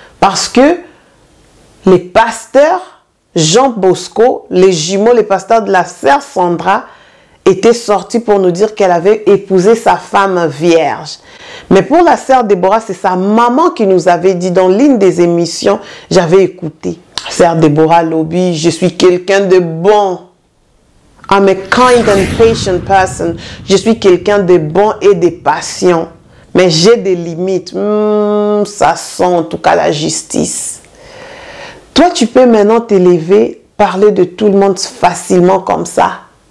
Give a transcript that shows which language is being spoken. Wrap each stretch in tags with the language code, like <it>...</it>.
<fr>Parce que les pasteurs Jean Bosco, les jumeaux, les pasteurs de la sœur Sandra, était sortie pour nous dire qu'elle avait épousé sa femme vierge. Mais pour la sœur Déborah, c'est sa maman qui nous avait dit dans l'une des émissions, j'avais écouté, sœur Déborah Lobby, je suis quelqu'un de bon.</fr> <en>I'm a kind and patient person.</en> <fr>Je suis quelqu'un de bon et de patient. Mais j'ai des limites. Ça sent en tout cas la justice. Toi, tu peux maintenant t'élever, parler de tout le monde facilement comme ça.</fr>